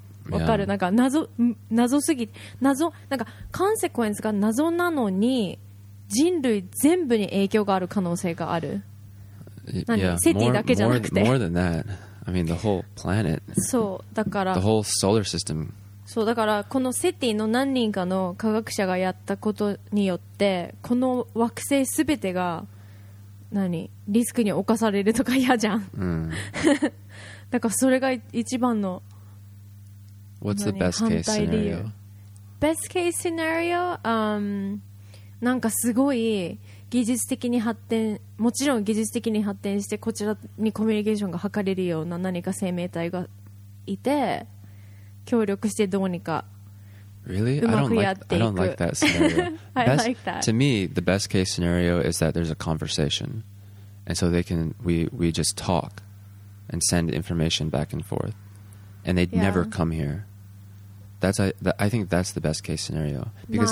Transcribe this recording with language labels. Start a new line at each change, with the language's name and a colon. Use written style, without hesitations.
Japanese: わかる、yeah. なんか謎すぎ謎なんかコンセクエンスが謎なのに人類全部に影響がある可能性がある。
English: Yeah.
Japanese: セティだけじゃなくて。
English: More than that, I mean the whole planet.
Japanese: そうだから。
English: The whole solar system.
Japanese: そうだからこのセティの何人かの科学者がやったことによってこの惑星すべてが何リスクに侵されるとか嫌じゃん。 Mm. だからそれが一番の。
English: What's the best case scenario? Best case scenario?
Japanese: なんかすごい技術的に発展、もちろん技術的に発展してこちらにコミュニケーションが図れるような何か生命体がいて協力してどうにかうまくやっていく。
English: Really? I don't like that scenario. I like that. To me, the best case scenario is that there's a conversation. And so we just talk and send information back and forth. And they'd yeah. never come here. I think that's the best case scenario. Because